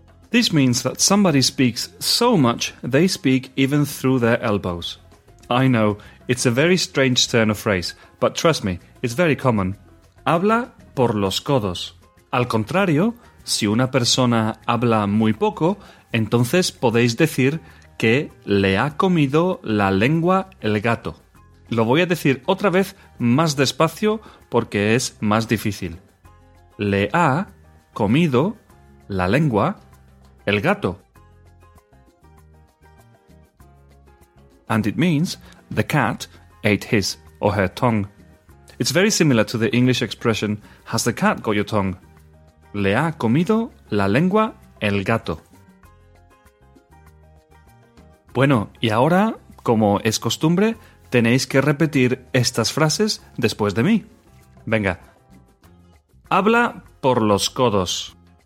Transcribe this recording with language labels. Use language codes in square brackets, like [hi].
[en] This means that somebody speaks so much they speak even through their elbows. I know, it's a very strange turn of phrase, but trust me, it's very common. [es] Habla por los codos. Al contrario, si una persona habla muy poco, entonces podéis decir que le ha comido la lengua el gato. Lo voy a decir otra vez más despacio porque es más difícil. Le ha comido la lengua el gato. [en] And it means the cat ate his or her tongue. It's very similar to the English expression, has the cat got your tongue? [es] Le ha comido la lengua el gato. Bueno, y ahora, como es costumbre, tenéis que repetir estas frases después de mí. Venga. Habla por los codos.